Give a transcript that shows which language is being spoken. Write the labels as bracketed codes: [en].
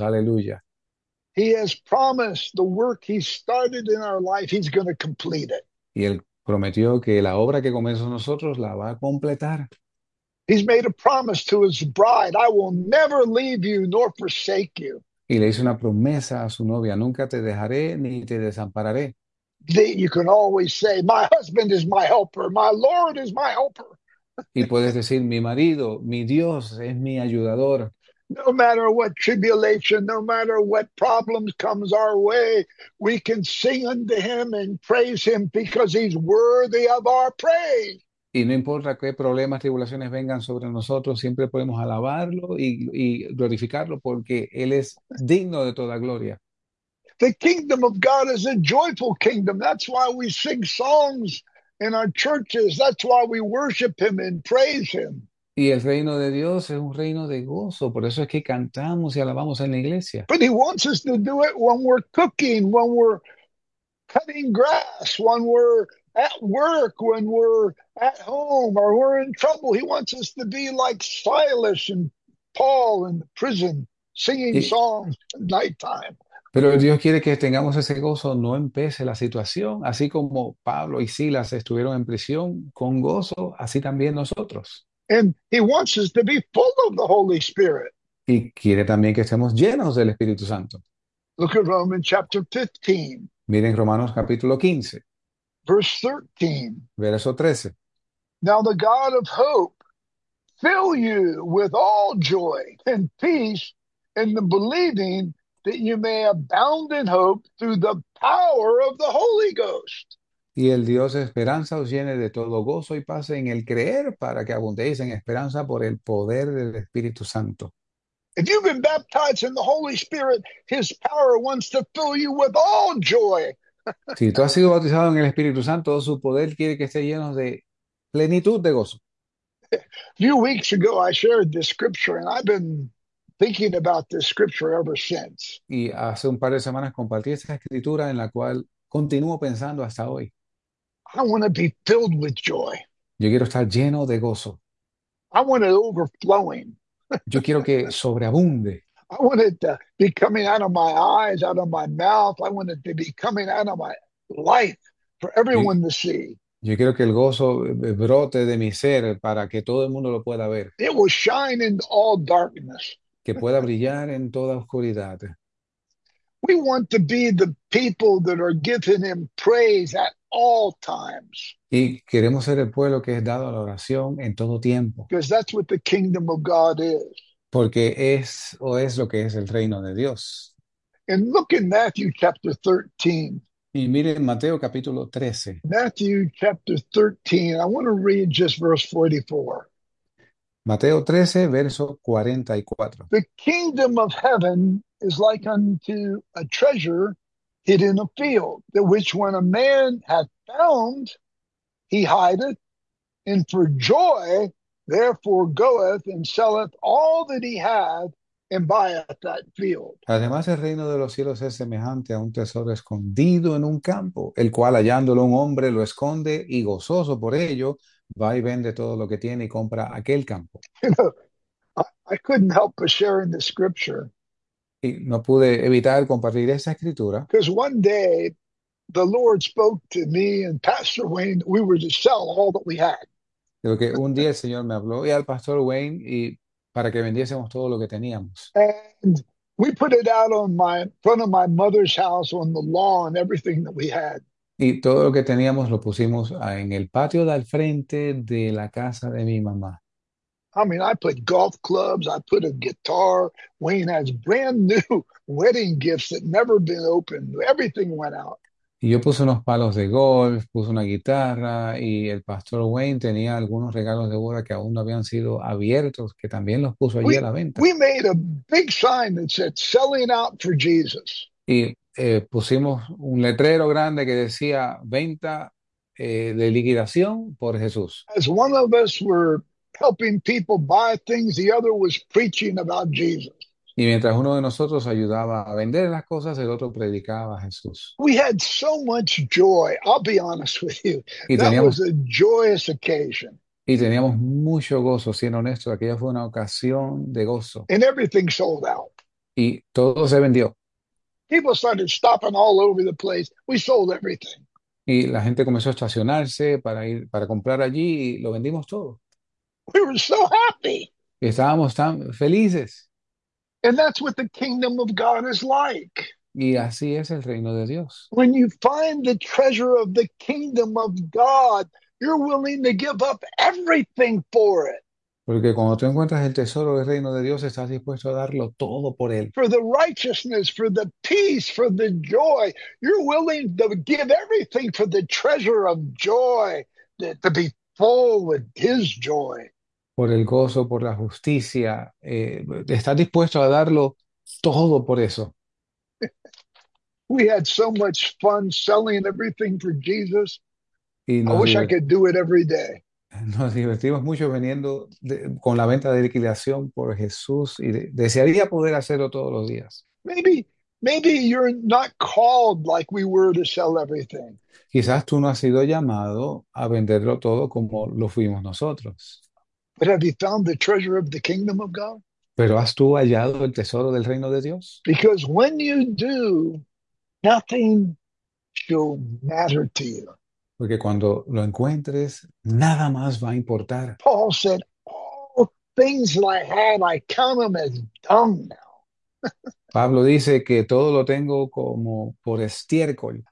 [es] Aleluya. [en] He has promised the work he started in our life, he's going to complete it. [es] Y él prometió que la obra que comenzó nosotros la va a completar. [en] He's made a promise to his bride, I will never leave you nor forsake you. [es] Y le hizo una promesa a su novia: nunca te dejaré ni te desampararé. [en] You can always say, my husband is my helper, my Lord is my helper. [es] Y puedes decir: mi marido, mi Dios, es mi ayudador. [en] No matter what tribulation, no matter what problems comes our way, we can sing unto him and praise him because he's worthy of our praise. [es] Y no importa qué problemas, tribulaciones vengan sobre nosotros, siempre podemos alabarlo y glorificarlo porque Él es digno de toda gloria. [en] The kingdom of God is a joyful kingdom. That's why we sing songs in our churches. That's why we worship him and praise him. [es] Y el reino de Dios es un reino de gozo, por eso es que cantamos y alabamos en la iglesia. [en] But he wants us to do it when we're cooking, when we're cutting grass, when we're at work, when we're at home, or we're in trouble. He wants us to be like Silas and Paul in the prison, singing songs at nighttime. [es] Pero Dios quiere que tengamos ese gozo, no empece la situación, así como Pablo y Silas estuvieron en prisión con gozo, así también nosotros. [en] And he wants us to be full of the Holy Spirit. [es] Y quiere también que estemos llenos del Espíritu Santo. [en] Look at Romans chapter 15, [es] Miren Romanos capítulo 15, [en] verse 13. [es] verso 13. [en] Now the God of hope fill you with all joy and peace in the believing that you may abound in hope through the power of the Holy Ghost. [es] Y el Dios de esperanza os llene de todo gozo y paz en el creer para que abundéis en esperanza por el poder del Espíritu Santo. [en] If you've been baptized in the Holy Spirit, His power wants to fill you with all joy. [es] Si tú has sido bautizado en el Espíritu Santo, su poder quiere que esté lleno de plenitud de gozo. [en] A few weeks ago, I shared this scripture, and I've been thinking about this scripture ever since. [es] Y hace un par de semanas compartí esta escritura en la cual continúo pensando hasta hoy. [en] I want to be filled with joy. [es] Yo quiero estar lleno de gozo. [en] I want it overflowing. [es] Yo quiero que sobreabunde. [en] I want it to be coming out of my eyes, out of my mouth. I want it to be coming out of my life for [es] Yo [en] everyone to see. [es] quiero que el gozo brote de mi ser para que todo el mundo lo pueda ver. [en] It will shine in all darkness. [es] Que pueda brillar en toda oscuridad. [en] We want to be the people that are giving him praise at all times. [es] Y queremos ser el pueblo que es dado a la oración en todo tiempo. [en] Because that's what the kingdom of God is. [es] Porque es o es lo que es el reino de Dios. [en] And look in Matthew chapter 13. [es] Y miren Mateo capítulo 13. [en] Matthew chapter 13. I want to read just verse 44. [es] Mateo 13, verso 44. [en] The kingdom of heaven is like unto a treasure hid in a field, the which when a man hath found, he hideth, and for joy therefore goeth and selleth all that he hath and buyeth that field. [es] Además, el reino de los cielos es semejante a un tesoro escondido en un campo, el cual hallándolo un hombre lo esconde y gozoso por ello, va y vende todo lo que tiene y compra aquel campo. [en] You know, I couldn't help but sharing the scripture. [es] Y no pude evitar compartir esa escritura. [en] Because one day the Lord spoke to me and Pastor Wayne, we were to sell all that we had. [es] Creo que un día el Señor me habló y al pastor Wayne y para que vendiésemos todo lo que teníamos. [en] And we put it out on my front of my mother's house on the lawn, everything that we had. [es] Y todo lo que teníamos lo pusimos en el patio de al frente de la casa de mi mamá. [en] I mean, I put golf clubs, I put a guitar. Wayne has brand new wedding gifts that never been opened. Everything went out. [es] Y yo puse unos palos de golf, puse una guitarra y el pastor Wayne tenía algunos regalos de boda que aún no habían sido abiertos, que también los puso allí a la venta. [en] made a big sign that said selling out for Jesus. [es] Y pusimos un letrero grande que decía venta de liquidación por Jesús. [en] As one of us were helping people buy things, the other was preaching about Jesus. [es] Y mientras uno de nosotros ayudaba a vender las cosas, el otro predicaba a Jesús. [en] We had so much joy. I'll be honest with you. [es] Y [en] That was a joyous occasion. [es] teníamos mucho gozo, siendo honesto, aquella fue una ocasión de gozo. [en] And everything sold out. [es] Y todo se vendió. [en] People started stopping all over the place. We sold everything. [es] Y la gente comenzó a estacionarse para ir para comprar allí y lo vendimos todo. [en] We were so happy. [es] Y estábamos tan felices. [en] And that's what the kingdom of God is like. [es] Y así es el reino de Dios. [en] When you find the treasure of the kingdom of God, you're willing to give up everything for it. [es] Porque cuando tú encuentras el tesoro del reino de Dios, estás dispuesto a darlo todo por él. [en] For the righteousness, for the peace, for the joy, you're willing to give everything for the treasure of joy to be full with his joy. [es] Por el gozo, por la justicia, estás dispuesto a darlo todo por eso. [en] We had so much fun selling everything for Jesus. [es] Y [en] I wish I could do it every day. [es] nos divertimos mucho vendiendo con la venta de liquidación por Jesús y desearía poder hacerlo todos los días. [en] Maybe you're not called like we were to sell everything. [es] Quizás tú no has sido llamado a venderlo todo como lo fuimos nosotros. [en] But have you found the treasure of the kingdom of God? [es] ¿Pero has tú hallado el tesoro del reino de Dios? [en] Because when you do, nothing shall matter to you. [es] Porque cuando lo encuentres, nada más va a importar. [en] Paul said, all things that I had, I count them as dung now. [es] Pablo dice que todo lo tengo como por estiércol.